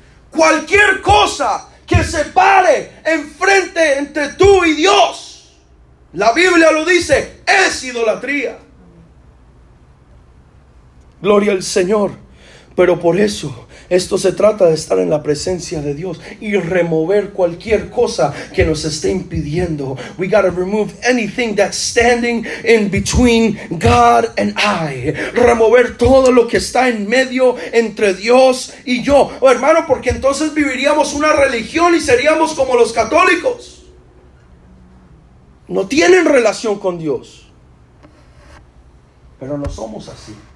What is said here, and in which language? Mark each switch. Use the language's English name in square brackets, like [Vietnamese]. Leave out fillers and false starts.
[Spanish] Cualquier cosa que se pare enfrente entre tú y Dios, la Biblia lo dice, es idolatría. Gloria al Señor. Pero por eso, esto se trata de estar en la presencia de Dios y remover cualquier cosa que nos esté impidiendo. [English] We gotta remove anything that's standing in between God and I. [Spanish] Remover todo lo que está en medio entre Dios y yo. Oh, hermano, porque entonces viviríamos una religión y seríamos como los católicos. No tienen relación con Dios. Pero no somos así.